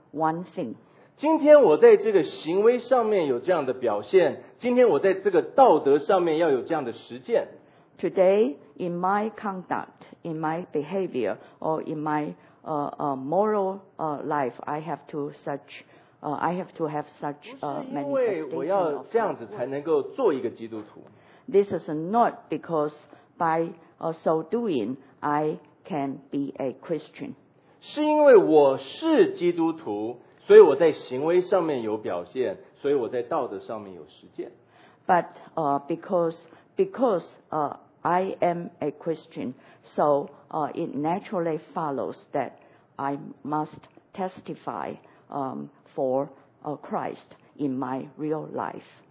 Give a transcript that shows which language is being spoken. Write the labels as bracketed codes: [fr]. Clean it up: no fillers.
[en] One thing. [zh] 今天我在这个行为上面有这样的表现，今天我在这个道德上面要有这样的实践。 [en] Today, in my conduct, in my behavior, or in my moral life, I have to have such manifestation. [zh] 不是因为我要这样子才能够做一个基督徒。 [en] This is not because by so doing, I can be a Christian. [zh] 是因为我是基督徒，所以我在行为上面有表现，所以我在道德上面有实践。 [en] But because I am a Christian, so it naturally follows that I must testify for Christ in my real life.